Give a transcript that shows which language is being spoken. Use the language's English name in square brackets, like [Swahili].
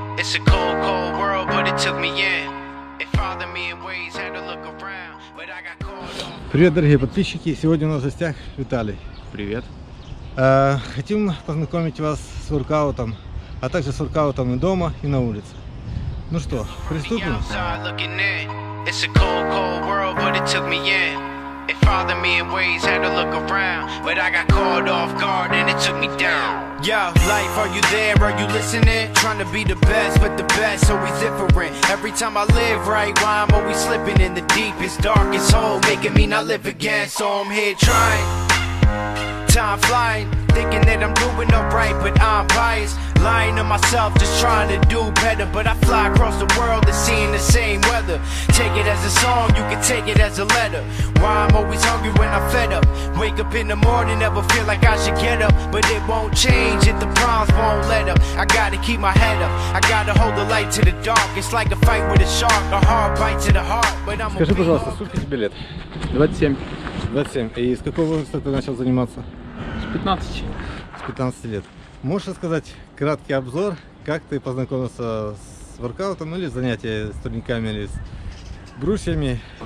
[English] It's a cold, cold world, but it took me in. It fathered me in ways, had to look around, but I got cold. [Russian] Привет, дорогие подписчики! Сегодня у нас в гостях Виталий. Привет! Хотим познакомить вас с воркаутом, а также с воркаутом и дома, и на улице. Ну что, приступим? [English] It's a cold, cold world, but it took me in. It fathered me in ways, had to look around, but I got caught off guard and it took me down. Yo, life, are you there? Are you listening? Trying to be the best, but the best always different. Every time I live right, why I'm always slipping in the deepest, darkest hole, making me not live again. So I'm here trying, time flying, thinking that I'm doing alright, but I'm biased. Lying to myself, just trying to do better. But I fly across the world and seeing the same weather. Take it as a song, you can take it as a letter. Why I'm always hungry when I'm fed up. Wake up in the morning, never feel like I should get up. But it won't change if the problems won't let up. I gotta keep my head up. I gotta hold the light to the dark. It's like a fight with a shark, a hard bite to the heart. But I'm [Russian] Скажи, пожалуйста, сколько тебе лет? 27. И с какого возраста ты начал заниматься? С 15. С 15 лет. Можешь рассказать краткий обзор, как ты познакомился с воркаутом, ну, или занятия с турниками, или с брусьями?